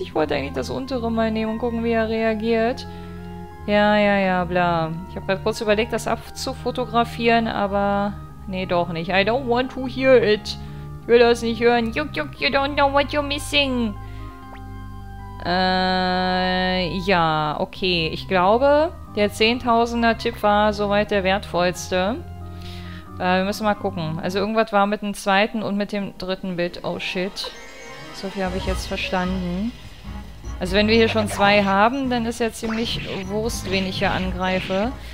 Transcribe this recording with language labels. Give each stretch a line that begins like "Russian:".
German: Ich wollte eigentlich das untere mal nehmen und gucken, wie er reagiert. Ja, ja, ja, bla. Ich habe gerade kurz überlegt, das abzufotografieren, aber... Nee, doch nicht.
English: I don't want to hear it.
German: Ich will das nicht hören.
English: Juck, juck, you don't know what you're missing.
German: Ja, okay. Ich glaube, der 10.000er-Tipp war soweit der wertvollste. Wir müssen mal gucken. Also irgendwas war mit dem zweiten und mit dem dritten Bit. Oh, shit. So viel habe ich jetzt verstanden. Also wenn wir hier schon zwei haben, dann ist ja ziemlich Wurst, wen ich hier angreife.